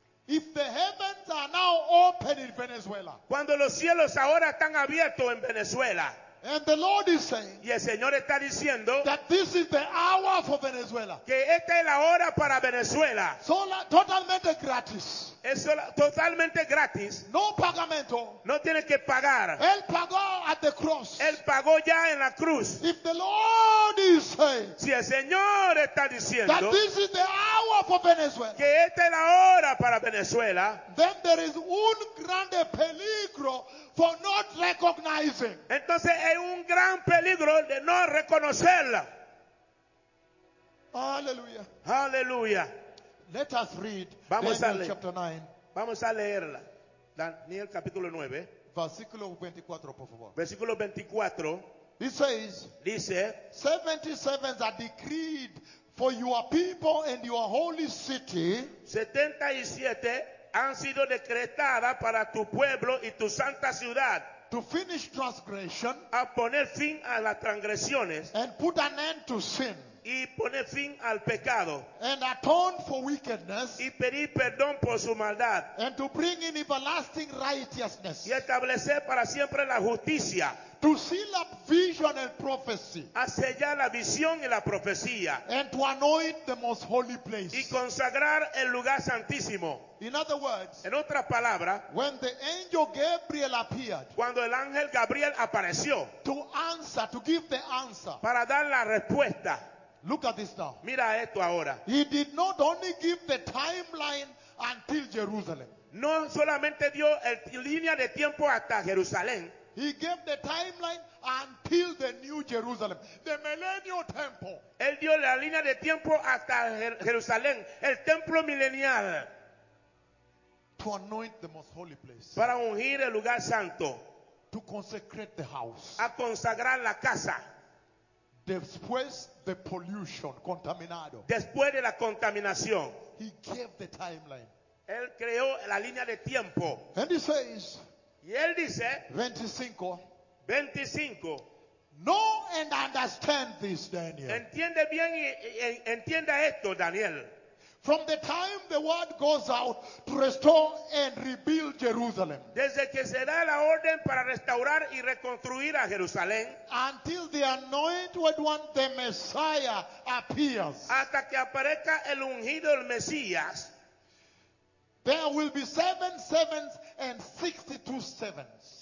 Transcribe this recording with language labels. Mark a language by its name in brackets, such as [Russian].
[English] If the heavens are now open in Venezuela, [Spanish] cuando los cielos ahora están abiertos en Venezuela, [English] and the Lord is saying, [Spanish] y el Señor está diciendo, [English] that this is the hour for Venezuela, [Spanish] que esta es la hora para Venezuela, totalmente gratis, totalmente gratis, no pagamento, no tiene que pagar, él pagó [English] at the cross, [Spanish] él pagó ya en la cruz. [English] If the Lord is saying, [Spanish] si el Señor está diciendo, [English] that this is the hour for Venezuela, [Spanish] que esta es la hora para Venezuela, [English] then there is [Spanish] un grande peligro [English] for not recognizing. [Spanish] Entonces es un gran peligro de no reconocerla. Aleluya. Aleluya. [English] Let us read [Spanish] vamos [English] Daniel [Spanish] a leer, [English] chapter 9. [Spanish] Vamos a leerla. Daniel capítulo 9. Versículo 24, por favor. Versículo 24. [English] It says, [Spanish] dice, [English] 77 are decreed for your people and your holy city. [Spanish] 77 han sido decretadas para tu pueblo y tu santa ciudad. [English] To finish transgression, [Spanish] a poner fin a las transgresiones, [English] and put an end to sin, [Spanish] y poner fin al pecado, [English] and atone for wickedness, [Spanish] y pedir perdón por su maldad, [English] and to bring in everlasting righteousness, [Spanish] y establecer para siempre la justicia, [English] to seal up vision and prophecy, [Spanish] a sellar la visión y la profecía, [English] and to anoint the most holy place, [Spanish] y consagrar el lugar santísimo. [English] In other words, [Spanish] en otra palabra, [English] when the angel Gabriel appeared, [Spanish] cuando el ángel Gabriel apareció, [English] to answer, to give the answer, [Spanish] para dar la respuesta. [English] Look at this now. [Spanish] Mira esto ahora. [English] He did not only give the timeline until Jerusalem. [Spanish] No solamente dio el línea de tiempo hasta Jerusalén. [English] He gave the timeline until the new Jerusalem, the millennial temple. [Spanish] Él dio la línea de tiempo hasta Jerusalén, el templo milenial. [English] To anoint the most holy place. [Spanish] Para ungir el lugar santo. [English] To consecrate the house. [Spanish] A consagrar la casa. Después de la pollution, contaminado. Después de la contaminación. [English] He gave the timeline. [Spanish] Él creó la línea de tiempo. [English] And he says, [Spanish] y él dice, [English] 25, know and understand this, Daniel. [Spanish] Entiende bien y entienda esto, Daniel. [English] From the time the word goes out to restore and rebuild Jerusalem. [Spanish] Desde que se da la orden para restaurar y reconstruir a Jerusalén. [English] Until the anointed one, the Messiah, appears. [Spanish] Hasta que aparezca el ungido, el Mesías. [English] There will be seven sevens and 62 sevens.